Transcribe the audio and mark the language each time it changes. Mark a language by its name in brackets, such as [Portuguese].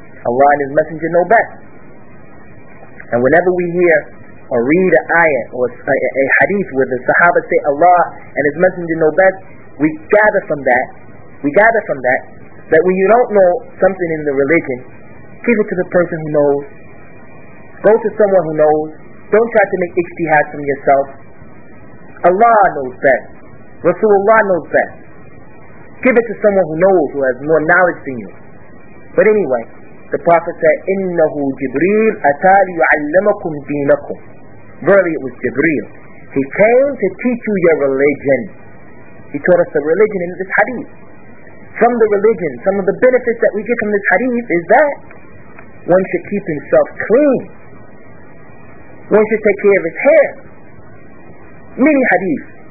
[English] Allah and His Messenger know best. And whenever we hear or read an ayah or a hadith where the Sahaba say Allah and His Messenger know best, we gather from that that when you don't know something in the religion, give it to the person who knows. Go to someone who knows. Don't try to make ijtihad from yourself. Allah knows best. Rasulullah knows best. Give it to someone who knows, who has more knowledge than you. But anyway, the Prophet said, [Arabic] إِنَّهُ جِبْرِيلُ أَتَى لِيُعَلَّمَكُمْ دِينَكُمْ. [English] Verily it was Jibreel. He came to teach you your religion. He taught us the religion in this hadith. From the religion, some of the benefits that we get from this hadith is that one should keep himself clean. One should take care of his hair. Many hadith.